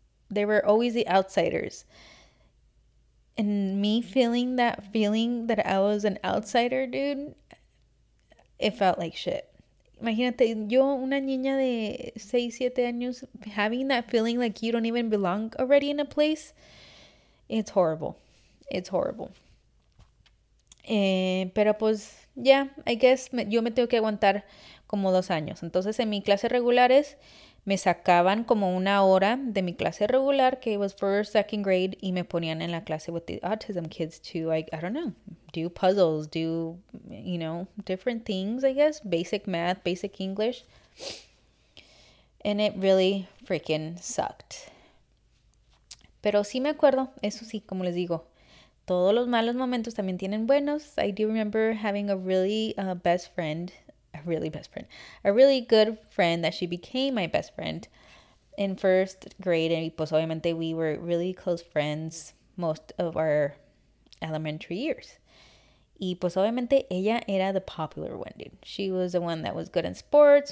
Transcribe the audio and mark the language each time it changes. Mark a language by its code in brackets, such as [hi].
[en] They were always the outsiders. And me feeling that I was an outsider, dude, it felt like shit. [es] Imagínate, yo, una niña de 6, 7 años, [en] having that feeling like you don't even belong already in a place, it's horrible. It's horrible. [es] Pero pues, [en] yeah, I guess [es] yo me tengo que aguantar como 2 años. Entonces, en mi clase regulares, me sacaban como una hora de mi clase regular, que [en] was first, second grade, [es] y me ponían en la clase [en] with the autism kids to, like, I don't know, do puzzles, do, you know, different things, I guess, basic math, basic English. And it really freaking sucked. [es] Pero sí me acuerdo, eso sí, como les digo, todos los malos momentos también tienen buenos. [en] I do remember having a really best friend. A really good friend that she became my best friend in first grade. And [es] pues obviamente [en] we were really close friends most of our elementary years. [es] Y pues obviamente ella era [en] the popular one, dude. She was the one that was good in sports.